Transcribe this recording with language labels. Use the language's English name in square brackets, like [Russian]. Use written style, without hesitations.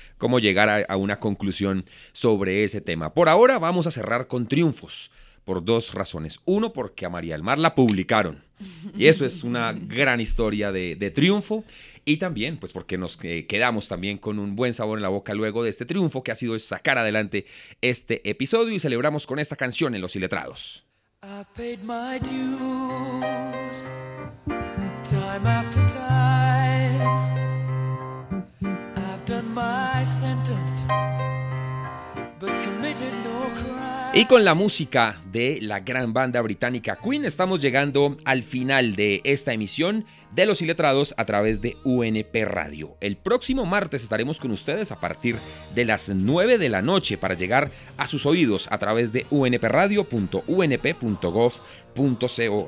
[Spanish] ¿Cómo llegar a una conclusión sobre ese tema? Por ahora vamos a cerrar con triunfos, por dos razones. Uno, porque a María del Mar la publicaron. Y eso es una gran historia de triunfo. Y también, pues porque nos quedamos también con un buen sabor en la boca luego de este triunfo que ha sido sacar adelante este episodio, y celebramos con esta canción en Los Iletrados. [English] I've paid my dues, time after time. I've done my sentence, but committed no crime. [Spanish] Y con la música de la gran banda británica Queen, estamos llegando al final de esta emisión de Los Iletrados a través de UNP Radio. El próximo martes estaremos con ustedes a partir de las 9 de la noche para llegar a sus oídos a través de unpradio.unp.gov.co.